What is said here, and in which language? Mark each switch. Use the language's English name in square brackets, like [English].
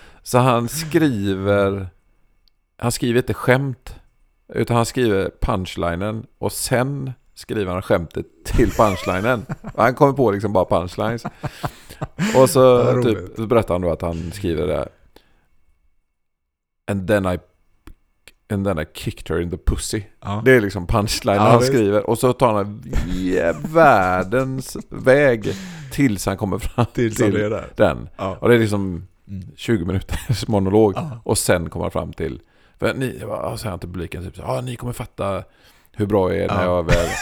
[Swedish] Så han skriver inte skämt, utan han skriver punchlinen och sen skriver han skämtet till punchlinen. Han kommer på liksom bara punchlines. Och så typ så berättar han då att han skriver det. [English] And then I kicked her in the pussy. [Swedish] Ja. Det är liksom punchline han skriver. Och så tar han världens väg tills han kommer fram till det där. Den. Ja. Och det är liksom 20 minuters monolog. Ja. Och sen kommer han fram till... För ni, jag säger till publiken typ, ni kommer fatta hur bra jag är när jag väl...